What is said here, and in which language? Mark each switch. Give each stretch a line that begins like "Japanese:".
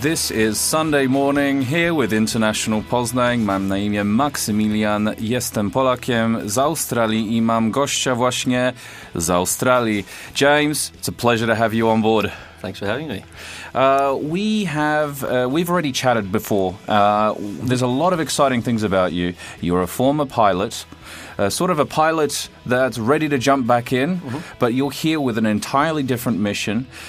English: This is Sunday morning here with International Poznań.
Polish: Mam na imię Maksymilian, jestem Polakiem z Australii I mam gościa właśnie z Australii.
English: James, it's a pleasure to have you on board. Thanks for having me. We've already chatted before. There's a lot of exciting things about you. You're a former pilot, sort of a pilot that's ready to jump back in, but you're here with an entirely different mission.